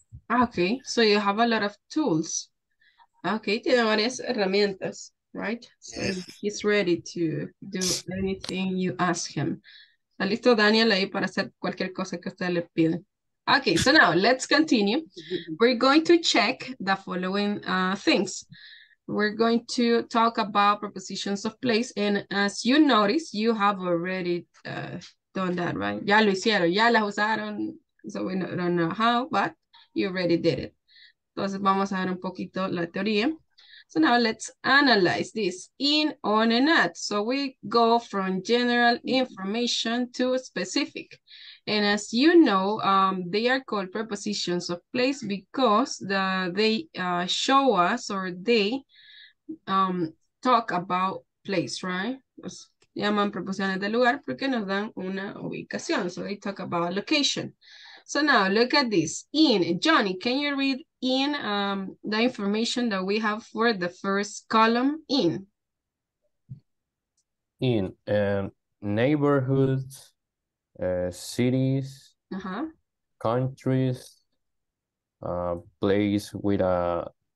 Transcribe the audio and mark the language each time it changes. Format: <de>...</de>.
<en>Okay, so you have a lot of tools.</en> <es>Okay, tiene varias herramientas, right? So</es> <en>yes. He's ready to do anything you ask him.</en> <es>¿Está listo Daniel ahí para hacer cualquier cosa que usted le pide?</es> <en>Okay, so now let's continue. We're going to check the following things. We're going to talk about prepositions of place. And as you notice, you have already done that, right?</en> <es>Ya lo hicieron, ya las usaron.</es> <en>So we don't know how, but you already did it.</en> <es>Entonces vamos a ver un poquito la teoría.</es> <en>So now let's analyze this in, on, and at. So we go from general information to specific. And as you know, they are called prepositions of place because they show us, or they talk about place, right?</en> <es>Pues, llaman preposiciones de lugar porque nos dan una ubicación.</es> <en>So they talk about location. So now look at this. In, Johnny, can you read in the information that we have for the first column? In. In neighborhoods, cities, countries, place with a</en>